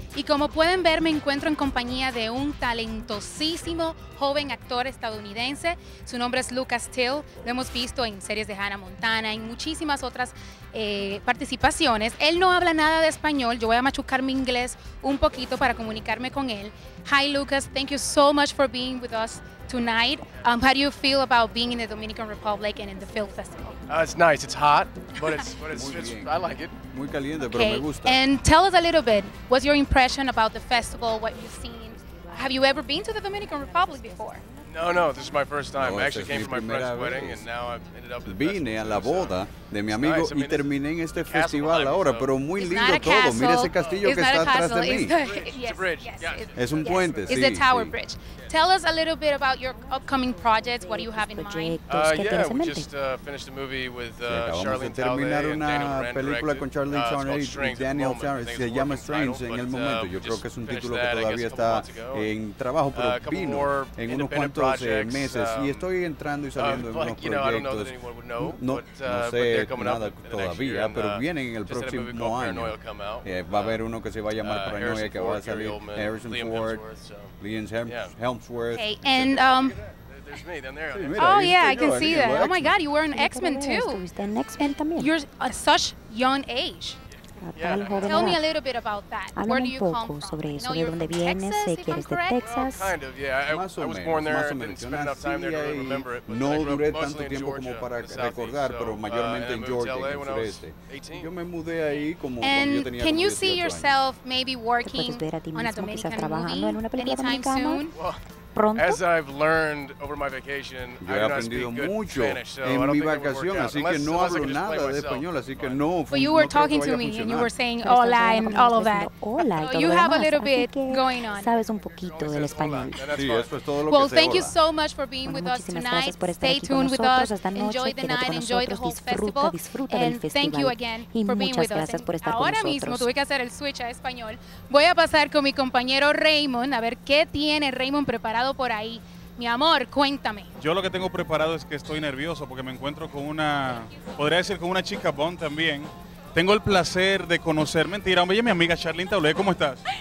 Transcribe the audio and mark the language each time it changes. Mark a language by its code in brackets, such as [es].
[es] Y como pueden ver, me encuentro en compañía de un talentosísimo joven actor estadounidense. Su nombre es Lucas Till. Lo hemos visto en series de Hannah Montana, en muchísimas otras participaciones. Él no habla nada de español. Yo voy a machucar mi inglés un poquito para comunicarme con él. [en] Hi, Lucas. Thank you so much for being with us tonight. How do you feel about being in the Dominican Republic and in the Film Festival? It's nice. It's hot, but it's I like it. [es] Muy caliente, okay. Pero me gusta. [en] And tell us a little bit, what's your impression about the festival, what you've seen? Have you ever been to the Dominican Republic before? No, this is my first time. No, I actually came from my friend's wedding and now I've ended up with the [es] vine a la boda de mi amigo y terminé en este festival ahora, pero muy lindo todo. Mira ese castillo que está atrás de mí. [en] It's a bridge. [es] Es un puente, sí. [en] It's the Tower Bridge. Tell us a little bit about your upcoming projects. What do you have in mind? We just finished a movie with Charlene Tale and Daniel Brand directed. It's called Strings at the Moment. I think it's a working title, en el momento. [es] Yo creo que es un título que todavía está en trabajo, pero vino en unos cuantos meses. Y estoy entrando y saliendo en unos proyectos. [en] I don't know that anyone would know, but [es] nada todavía, pero vienen en el próximo año. Va a haber uno que se va a llamar Paranoia, que va a salir Harrison Ford, Liam Hemsworth. [en] There's me down there. Oh, yeah, I can see that. Oh, my God, you were an X-Men, too. You're at such young age. Yeah. Tell me a little bit about that. Where do you come from? No, you're from Texas, if I'm correct? Kind of, yeah. I was born there. I didn't spend enough time there to really remember it. [es] No duré tanto tiempo como para recordar, pero mayormente en Georgia, en el sureste. Yo me mudé ahí como [en] cuando yo tenía 18 años. Can you see yourself maybe working on a Dominican movie anytime soon? As I've learned over my vacation, [es] yo he aprendido mucho en mi vacación, así que no hablo nada de español, así que no. [en] But you were talking to me and you were saying hola and all of that. [es] Hola, [en] you have a little bit going on. [es] Sabes un poquito del español. Sí, eso es todo lo que [en] Well, thank you so much for being with us tonight. Stay tuned with us. Enjoy the night. Enjoy the whole festival. And thank you again for being with us. [es] Ahora mismo tuve que hacer el switch a español. Voy a pasar con mi compañero Raymond a ver qué tiene Raymond preparado. Por ahí, mi amor, cuéntame. Yo lo que tengo preparado es que estoy nervioso porque me encuentro con una, podría decir con una chica Bond también. Tengo el placer de conocer, mentira, oye, mi amiga Charlene Taulé, ¿cómo estás?